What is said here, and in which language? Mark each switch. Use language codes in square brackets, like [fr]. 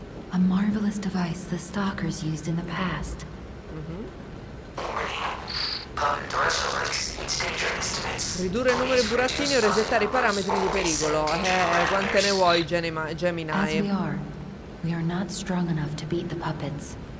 [en] A marvelous device the stalkers used in the past. [it] Ridurre il numero di burattini o resettare i parametri di pericolo. Quante ne vuoi, Gemini? [en] As we are not strong enough to beat the puppets.